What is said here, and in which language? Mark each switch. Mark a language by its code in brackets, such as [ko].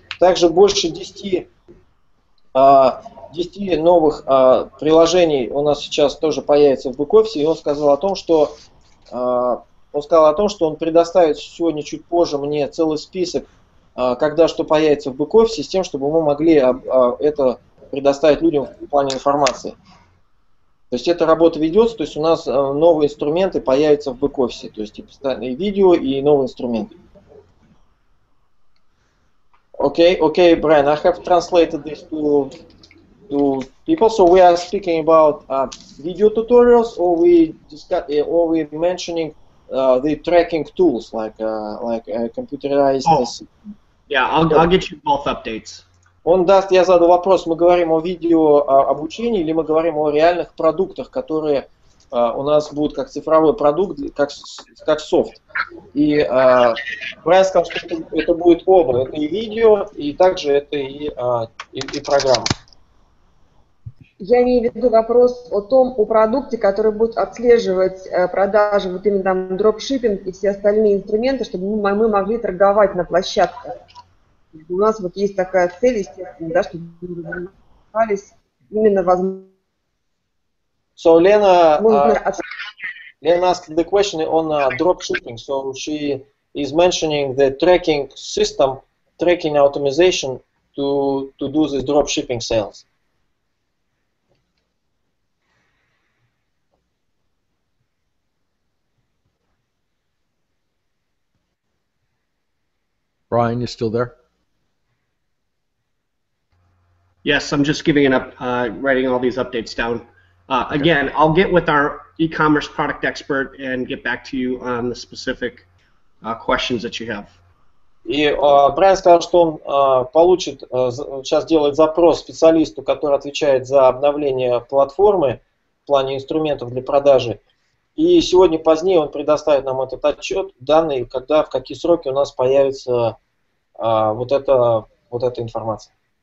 [ru] Также больше 10 новых приложений у нас сейчас тоже появится в бэк-офисе, и он сказал о том, что он предоставит сегодня чуть позже мне целый список, когда что появится в бэк-офисе, с тем, чтобы мы могли это предоставить людям в плане информации. То есть эта работа ведется, то есть у нас новые инструменты появятся в бэк-офисе, то есть и постоянные видео, и новые инструменты. [en] Okay, Brian, I have translated this to people, so we are speaking about video tutorials, or we mentioning the tracking tools like computerized. Oh. Yeah, I'll get you both updates. [ru] Он даст, я задал вопрос, мы говорим о видео обучении или мы говорим о реальных продуктах, которые у нас будут как цифровой продукт, как софт. И Брайан сказал, что это будет оба, это и видео, и также это и программа. Я имею в виду вопрос о том, о продукте, который будет отслеживать продажи, вот именно там дропшиппинг и все остальные инструменты, чтобы мы могли торговать на площадке. У нас вот есть такая цель, естественно, да, чтобы мы развивались именно возможно. [en] So, Lena, Lena asked the question on dropshipping. So, she is mentioning the tracking system, tracking optimization to do this dropshipping sales. Brian, you still there? Yes, I'm just giving it up, writing all these updates down. Okay. Again, I'll get with our e-commerce product expert and get back to you on the specific questions that you have. [ru] И Брайан сказал, что он получит, сейчас делает запрос специалисту, который отвечает за обновление платформы в плане инструментов для продажи. И сегодня позднее он предоставит нам этот отчет, данные, когда, в какие сроки у нас появится эта информация.